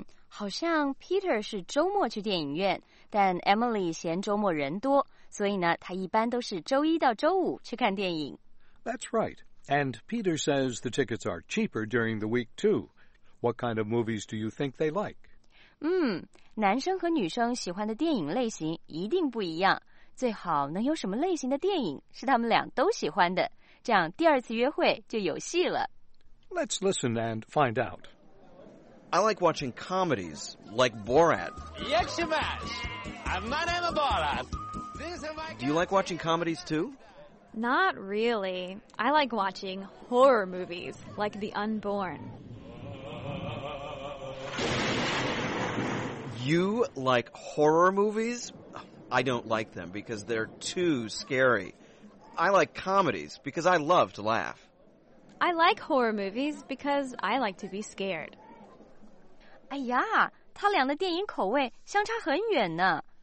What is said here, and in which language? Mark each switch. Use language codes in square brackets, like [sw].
[zh] 好像 Peter 是周末去电影院，但 Emily 嫌周末人多，所以呢，他一般都是周一到周五去看电影。 [en] That's right. And Peter says the tickets are cheaper during the week, too. What kind of movies do you think they like? [zh] 男生和女生喜欢的电影类型一定不一样，最好能有什么类型的电影是他们俩都喜欢的，这样第二次约会就有戏了。 [en] Let's listen and find out. I like watching comedies like Borat. Yakshibash! My name is Borat. Do you like watching comedies too? Not really. I like watching horror movies like The Unborn. You like horror movies? I don't like them because they're too scary. I like comedies because I love to laugh. I like horror movies because I like to be scared. [zh] 哎呀，他俩的电影口味相差很远呢。